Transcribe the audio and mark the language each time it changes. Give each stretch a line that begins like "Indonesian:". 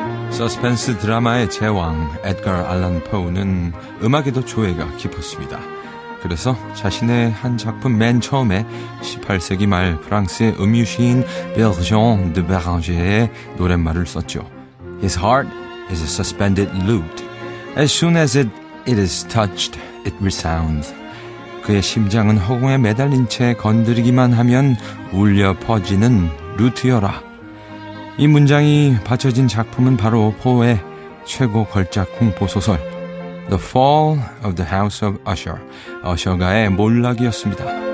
Korean: 서스펜스 드라마의 제왕 에드가 알란 포우는 음악에도 조예가 깊었습니다. 그래서 자신의 한 작품 맨 처음에 18세기 말 프랑스의 음유시인 베르장 드 베랑제의 노랫말을 썼죠.
English: His heart is a suspended lute. As soon as it is touched, it resounds.
Korean: 그의 심장은 허공에 매달린 채 건드리기만 하면 울려 퍼지는 루트여라. 이 문장이 받쳐진 작품은 바로 포의 최고 걸작 공포소설 The Fall of the House of Usher, 어셔가의 몰락이었습니다.